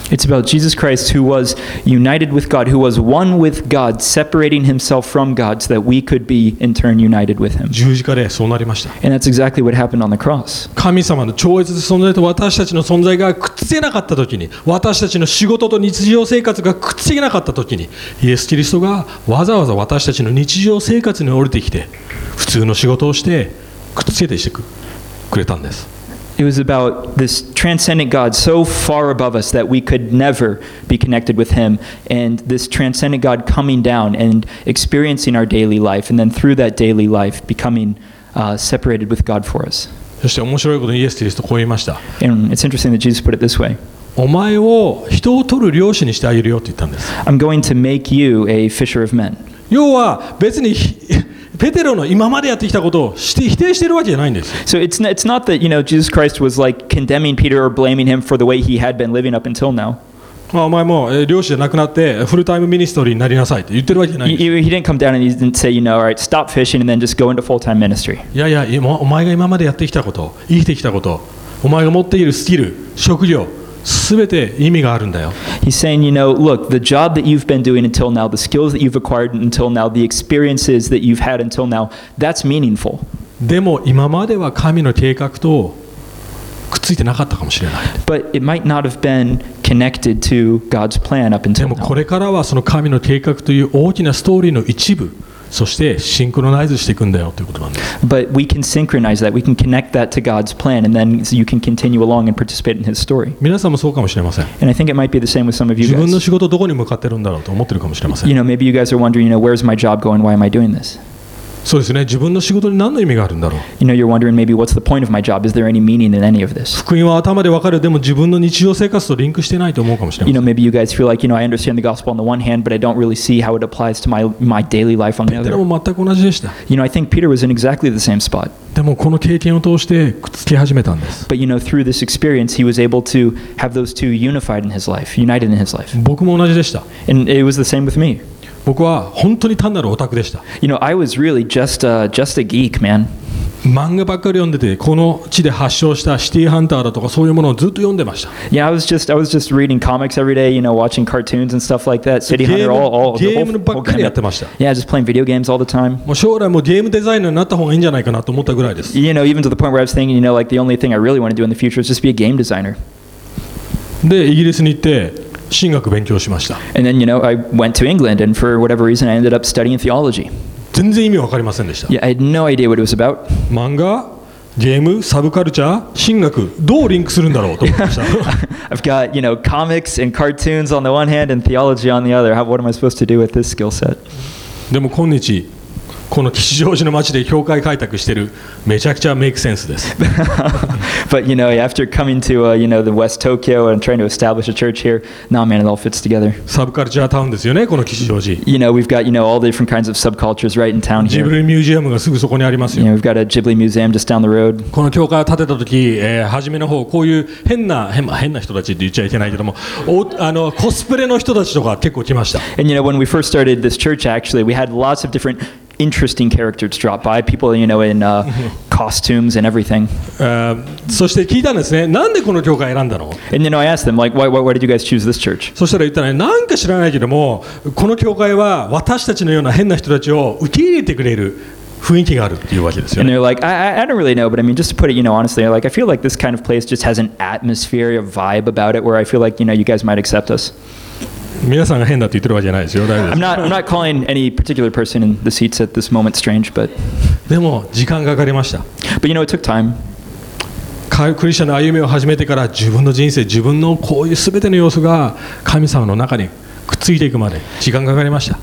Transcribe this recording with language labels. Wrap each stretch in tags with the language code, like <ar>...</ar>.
<en>It's about Jesus Christ who was united with God, who was one with God, separating himself from God so that we could be in turn united with him.</en> <ja>十字架でそうなりました。</ja> <en>And that's exactly what happened on the cross.</en> <ja>神様の超越存在と私たちの存在がくっつけなかったときに、私たちの仕事と日常生活がくっつけなかったときに、イエス・キリストがわざわざ私たちの日常生活に降りてきて、普通の仕事をしてくっつけてしてくれたんです。</ja> <en>It was about this transcendent God so far above us that we could never be connected with him and this transcendent God coming down and experiencing our daily life and then through that daily life becoming separated with God for us.</en> <ja>そして面白いことにイエス・キリストこう言いました。</ja> <en>And it's interesting that Jesus put it this way.</en> <ja>お前を人を取る漁師にしてあげるよって言ったんです。</ja> <en>I'm going to make you a fisher of men.</en> <ja>要は別にペテロの今までやってきたことを否定しているわけじゃないんです。</ja> <en>So it's not that, you know, Jesus Christ was like condemning Peter or blaming him for the way he had been living up until now.</en> <ja>まあ、お前も漁師じゃなくなってフルタイムミニストリーになりなさいって言ってるわけじゃないんです。</ja> <en>He didn't come down and he didn't say, you know, all right, stop fishing and then just go into full-time ministry.</en> <ja>いやいや、お前が今までやってきたこと、生きてきたこと、お前が持っているスキル、職業、全て意味があるんだよ。</ja> <en>He's saying, you know, look, the job that you've been doing until now, the skills that you've acquired until now, the experiences that you've had until now, that's meaningful.</en> <ja>でも今までは神の計画とくっついてなかったかもしれない。</ja> <en>But it might not have been connected to God's plan up until now.</en> <ja>でもこれからはその神の計画という大きなストーリーの一部、そしてシンクロナイズしていくんだよということなんです。</ja> <en>But we can synchronize that. We can connect that to God's plan, and then you can continue along and participate in His story.</en> <ja>皆さんもそうかもしれません。</ja> <en>And I think it might be the same with some of you guys.</en> <ja>自分の仕事どこに向かってるんだろうと思ってるかもしれません。</ja> <en>You know, maybe you guys are wondering, you know, where's my job going? Why am I doing this?</en> <ja>そうですね、自分の仕事に何の意味があるんだろう。</ja> <en>You know, you're wondering maybe what's the point of my job? Is there any meaning in any of this?</en> <ja>福音は頭でわかる、でも自分の日常生活とリンクしてないと思うかもしれません。</ja> <en>You know, maybe you guys feel like, you know, I understand the gospel on the one hand, but I don't really see how it applies to my daily life on the other.</en> <ja>ペテロも全く同じでした。</ja> <en>You know, I think Peter was in exactly the same spot.</en> <ja>でもこの経験を通してくっつき始めたんです。</ja> <en>But you know, through this experience, he was able to have those two unified in his life, united in his life.</en> <ja>僕も同じでした。</ja> <en>And it was the same with me.</en> <ja>僕は本当に単なるオタクでした。</ja> <en>You know, I was really just a geek, man.</en> <ja>漫画ばっかり読んでて、この地で発祥したシティハンターだとかそういうものをずっと読んでました。</ja> <en>Yeah, I was just reading comics every day, you know, watching cartoons and stuff like that. City Hunter, all</en> <ja>ゲームばっかりやってました。</ja> <en>Yeah, just playing video games all the time.</en> <ja>もう将来もゲームデザイナーになった方がいいんじゃないかなと思ったぐらいです。</ja> <en>You know, even to the point where I was thinking, you know, like the only thing I really want to do in the future is just be a game designer.</en> <ja>で、イギリスに行って、神学勉強しました。</ja> <en>And then, you know, I went to England and for whatever reason I ended up studying theology.</en> <ja>全然意味わかりませんでした。</ja> <en>Yeah, I had no idea what it was about.</en> <ja>漫画、ゲーム、サブカルチャー、神学、どうリンクするんだろうと思いました。</ja> <en>I've got, you know, comics and cartoons on the one hand and theology on the other. What am I supposed to do with this skill set?</en> <ja>でも今日この吉祥寺の街で教会開拓してるめちゃくちゃメイクセンスです。</ja> <en>But you know, after coming to you know, the West Tokyo and trying to establish a church here, nah, man, it all fits together.</en> <ja>サブカルチャータウンですよね、この吉祥寺。</ja> <en>You know, we've got, you know, all the different kinds of subcultures right in town here.</en> <ja>ジブリミュージアムがすぐそこにありますよ。</ja> <en>You know, we've got a Ghibli Museum just down the road.</en> <ja>この教会を建てた時、初めの方こういう変な人たちって言っちゃいけないけども、コスプレの人たちとか結構来ました。</ja> <en>And you know, when we first started this church, actually, we had lots of differentinteresting characters drop by, people, you know, in costumes and everything.</en> <ja>そして聞いたんですね。なんでこの教会選んだの？</ja> <en>And you know, I asked them, like, why did you guys choose this church?</en> <ja>そしたら言ったら、なんか知らないけども、この教会は私たちのような変な人たちを受け入れてくれる雰囲気があるっていうわけですよ、ね。</ja> <en>And they're like, I don't really know, but I mean, just to put it, you know, honestly, like, I feel like this kind of place just has an atmosphere, a vibe about it, where I feel like, you know, you guys might accept us.</en> <ja>皆さんが変だって言ってるわけじゃないですよ。大丈夫です。</ja> <en>I'm not calling any particular person in the seats at this moment strange, but</en> <ja>でも時間がかかりました。</ja> <en>But you know, it took time.</en> <ja>クリスチャンの歩みを始めてから自分の人生、自分のこういうすべての様子が神様の中にくっついていくまで時間がかかりました。</ja>